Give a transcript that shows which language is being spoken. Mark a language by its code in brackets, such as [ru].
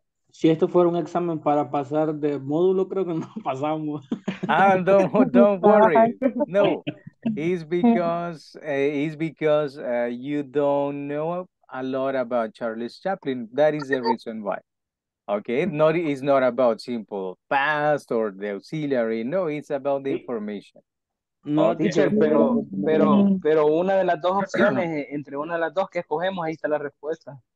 [es] Si esto fuera un examen para pasar de módulo, creo que no pasamos. [en] don't worry. No. It's because you don't know a lot about Charles Chaplin. That is the reason why. Okay, it's not about simple past or the auxiliary. No, it's about the information. [es] No, teacher, pero una de las dos opciones, entre una de las dos que escogemos, ahí está la respuesta.